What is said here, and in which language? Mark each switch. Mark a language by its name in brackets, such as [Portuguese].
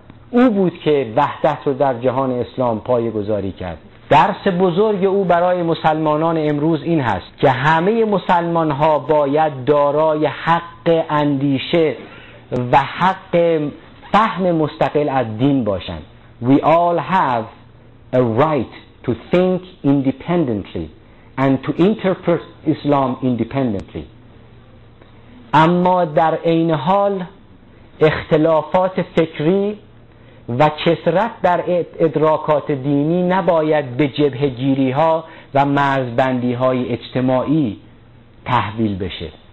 [Persian] او بود که وحدت رو در جهان اسلام پایه‌گذاری کرد. درس بزرگ او برای مسلمانان امروز این هست که همه مسلمان‌ها باید دارای حق اندیشه و حق فهم مستقل از دین باشند. [English] We all have a right to think independently and to interpret Islam independently. [Persian] اما در این حال اختلافات فکری و کثرت در ادراکات دینی نباید به جبهه گیری ها و مرزبندی های اجتماعی تحویل بشه.